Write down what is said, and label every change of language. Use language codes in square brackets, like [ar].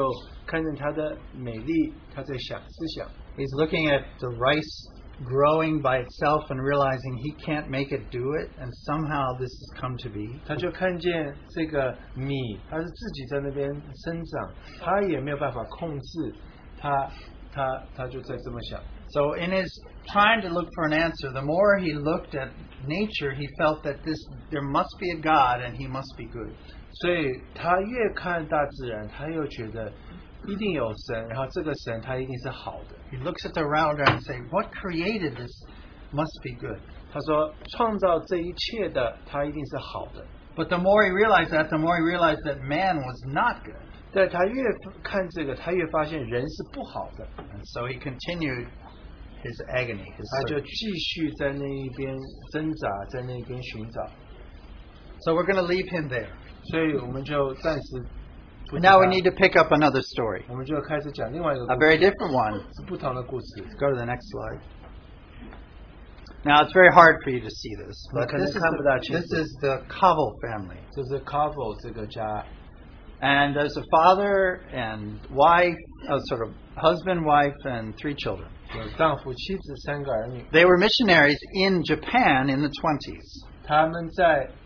[zh] 他过几个礼拜，他看着一个蚱蜢，他就看见它的美丽，他在想思想。 [en] He's looking at the rice growing by itself and realizing he can't make it do it, and somehow this has come to be. [zh] 他就看见这个米，它是自己在那边生长，他也没有办法控制，他就在这么想。 [en] So in his trying to look for an answer, the more he looked at nature, he felt that this there must be a God and he must be good. [zh] 所以他越看大自然，他又觉得一定有神，然后这个神他一定是好的。 [en] He looks at the round and says, what created this must be good. [zh] 他说创造这一切的他一定是好的。 [en] But the more he realized that, the more he realized that man was not good. [zh] 对,他越看这个,他越发现人是不好的。 [en] And so he continued his agony, his search. [zh] 他就继续在那一边挣扎，在那边寻找。 [en] So we're going to leave him there. [zh] 所以我们就暂时。 [en] Now we need to pick up another story. [zh] 我们就开始讲另外一个故事。 [en] A very different one. [zh] 是不同的故事。 [en] Let's go to the next slide. Now it's very hard for you to see this, but this is the Kavel family. This is Kavel, this is a and there's a father and wife, sort of husband, wife, and three children. They were missionaries in Japan in the 20s.